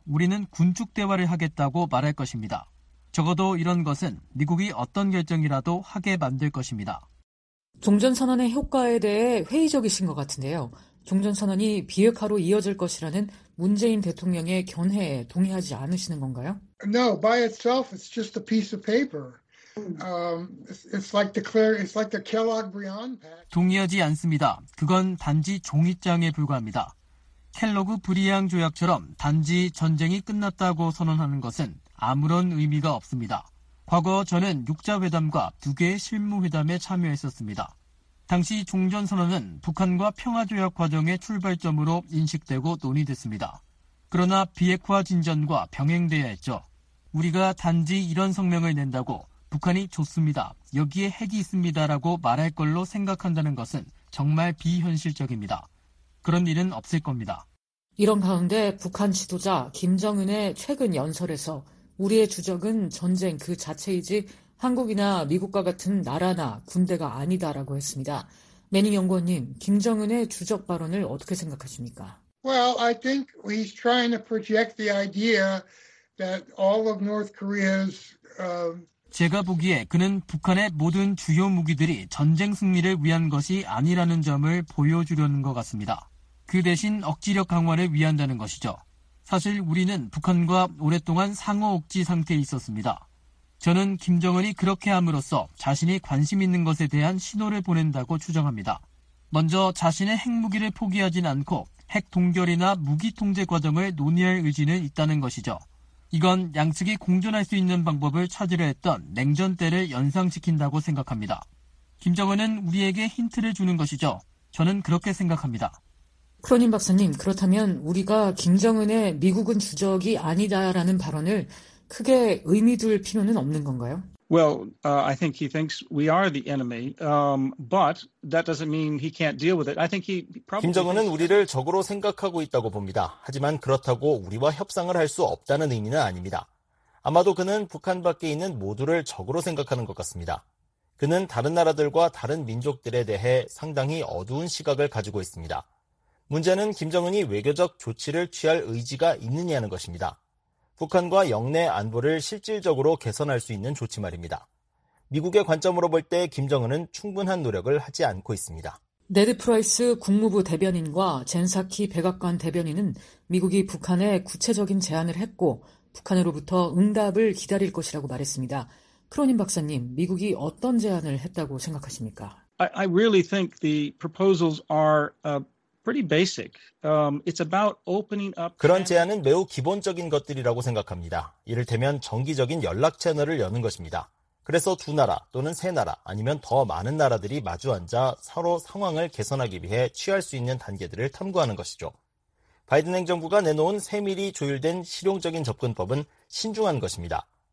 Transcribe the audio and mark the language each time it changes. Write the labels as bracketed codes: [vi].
[ko] 우리는 군축 대화를 하겠다고 말할 것입니다. 적어도 이런 것은 미국이 어떤 결정이라도 하게 만들 것입니다. 종전선언의 효과에 대해 회의적이신 것 같은데요. 종전선언이 비핵화로 이어질 것이라는 문재인 대통령의 견해에 동의하지 않으시는 건가요? [en] No, by itself, it's just a piece of paper. It's like the clear, it's like the Kellogg-Briand pack. [ko] 동의하지 않습니다. 그건 단지 종이장에 불과합니다. 켈로그 브리앙 조약처럼 단지 전쟁이 끝났다고 선언하는 것은 아무런 의미가 없습니다. 과거 저는 6자회담과 두 개의 실무회담에 참여했었습니다. 당시 종전선언은 북한과 평화조약 과정의 출발점으로 인식되고 논의됐습니다. 그러나 비핵화 진전과 병행돼야 했죠. 우리가 단지 이런 성명을 낸다고 북한이 좋습니다. 여기에 핵이 있습니다라고 말할 걸로 생각한다는 것은 정말 비현실적입니다. 그런 일은 없을 겁니다. 이런 가운데 북한 지도자 김정은의 최근 연설에서 우리의 주적은 전쟁 그 자체이지 한국이나 미국과 같은 나라나 군대가 아니다라고 했습니다. 매닝 연구원님, 김정은의 주적 발언을 어떻게 생각하십니까? [en] Well, I think he's trying to project the idea that all of North Korea's [ko] 제가 보기에 그는 북한의 모든 주요 무기들이 전쟁 승리를 위한 것이 아니라는 점을 보여주려는 것 같습니다. 그 대신 억지력 강화를 위한다는 것이죠. 사실 우리는 북한과 오랫동안 상호 억지 상태에 있었습니다. 저는 김정은이 그렇게 함으로써 자신이 관심 있는 것에 대한 신호를 보낸다고 추정합니다. 먼저 자신의 핵무기를 포기하진 않고 핵 동결이나 무기 통제 과정을 논의할 의지는 있다는 것이죠. 이건 양측이 공존할 수 있는 방법을 찾으려 했던 냉전 때를 연상시킨다고 생각합니다. 김정은은 우리에게 힌트를 주는 것이죠. 저는 그렇게 생각합니다. 크로닌 박사님, 그렇다면 우리가 김정은의 미국은 주적이 아니다라는 발언을 크게 의미 둘 필요는 없는 건가요? [en] Well, I think he thinks we are the enemy, but that doesn't mean he can't deal with it. I think he probably [ko] 김정은은 우리를 적으로 생각하고 있다고 봅니다. 하지만 그렇다고 우리와 협상을 할 수 없다는 의미는 아닙니다. 아마도 그는 북한 밖에 있는 모두를 적으로 생각하는 것 같습니다. 그는 다른 나라들과 다른 민족들에 대해 상당히 어두운 시각을 가지고 있습니다. 문제는 김정은이 외교적 조치를 취할 의지가 있느냐는 것입니다. 북한과 영내 안보를 실질적으로 개선할 수 있는 조치 말입니다. 미국의 관점으로 볼 때 김정은은 충분한 노력을 하지 않고 있습니다. 네드 프라이스 국무부 대변인과 젠 사키 백악관 대변인은 미국이 북한에 구체적인 제안을 했고 북한으로부터 응답을 기다릴 것이라고 말했습니다. 크로닌 박사님, 미국이 어떤 제안을 했다고 생각하십니까? [en] I really think the proposals are pretty basic. It's about opening up. [ko] 그런 제안은 매우 기본적인 것들이라고 생각합니다. 이를테면 정기적인 연락 채널을 여는 것입니다. 그래서 두 나라 또는 세 나라 아니면 더 많은 나라들이 마주앉아 서로 상황을 개선하기 위해 취할 수 있는 단계들을 탐구하는 것이죠. 바이든 행정부가 내놓은 세밀히 조율된 실용적인 접근법은 신중한 것입니다.